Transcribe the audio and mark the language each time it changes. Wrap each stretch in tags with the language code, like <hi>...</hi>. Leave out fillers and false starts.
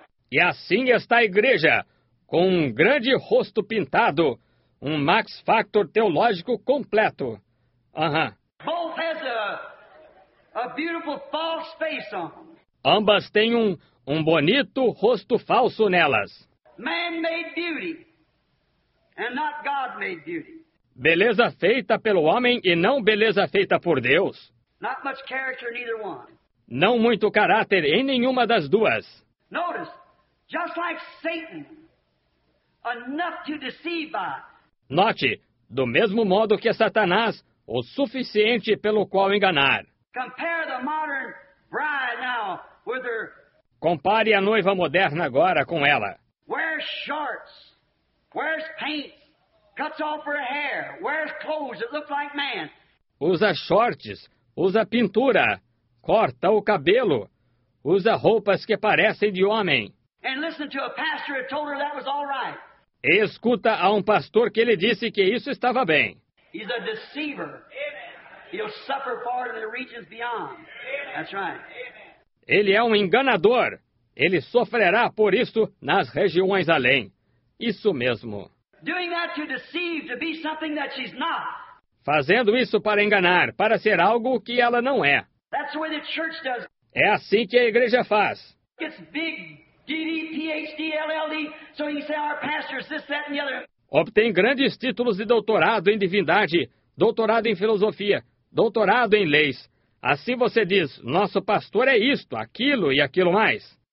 <pt>E assim está a igreja, com um grande rosto pintado, um Max Factor teológico completo.</pt> <en>Both has a beautiful false face on.</en> <pt>Ambas têm um bonito rosto falso nelas.</pt> <en>Man-made beauty and not God-made beauty.</en> <pt>Beleza feita pelo homem e não beleza feita por Deus.</pt> <en>Not much character in either one.</en> <pt>Não muito caráter em nenhuma das duas.</pt> <en>Notice, just like Satan, enough to deceive by.</en> <pt>Note, do mesmo modo que Satanás, o suficiente pelo qual enganar.</pt> <en>Compare the modern bride now with her.</en> <pt>Compare a noiva moderna agora com ela.</pt> <en>Wears shorts, wears pants, cuts off her hair, wears clothes that look like man.</en> <pt>Usa shorts, usa pintura, corta o cabelo, usa roupas que parecem de homem.</pt> <en>And listen to a pastor who told her that was all right.</en> <pt>E escuta a um pastor que ele disse que isso estava bem.</pt> <en>He's a deceiver. Amen. He'll suffer far in the regions beyond. Amen. That's right.</en> <pt>Ele é um enganador. Ele sofrerá por isso nas regiões além. Isso mesmo.</pt> <en>Doing that to deceive, to be something that she's not.</en> <pt>Fazendo isso para enganar, para ser algo que ela não é.</pt> <en>That's the way the church does.</en> <pt>É assim que a igreja faz.</pt> <en>It's big, D.D., Ph.D., LL.D., so you say our pastor's this, that, and the other.</en> <pt>Obtém grandes títulos de doutorado em divindade, doutorado em filosofia, doutorado em leis. Assim você diz, nosso pastor é isto, aquilo e aquilo mais.</pt>